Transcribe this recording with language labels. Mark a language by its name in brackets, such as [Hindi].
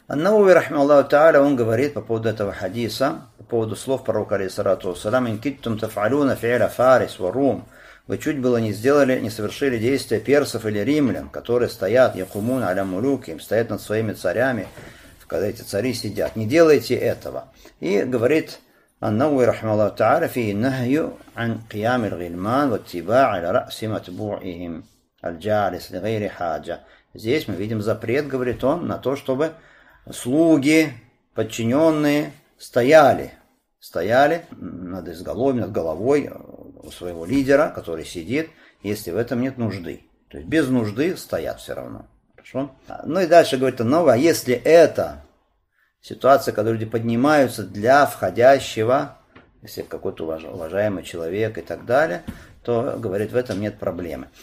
[Russian] Ан-Науви, рахима Аллаху Та'аля, он говорит по поводу этого хадиса, по поводу слов пророка, алейхиссалату вассалям, [Arabic] «Ин киттум тафалюна фи'ля фарис ва рум». [Russian] Вы чуть было не сделали, не совершили действия персов или римлян, которые стоят, [Arabic] якумун аля мулюки, [Russian] им стоят над своими царями, когда эти цари сидят. Не делайте этого. И говорит [Arabic] النووي رحمه الله تعالى فيه نهي عن قيام الغلمان واتباع على رأس متبوعهم الجالس لغير حاجة. [Russian] Здесь мы видим запрет, говорит он, на то, чтобы слуги, подчиненные стояли над изголовьем, над головой у своего лидера, который сидит, если в этом нет нужды. То есть без нужды стоят все равно. Хорошо? Ну и дальше говорит он, а если это ситуация, когда люди поднимаются для входящего, если какой-то уважаемый человек и так далее, то, говорит, в этом нет проблемы.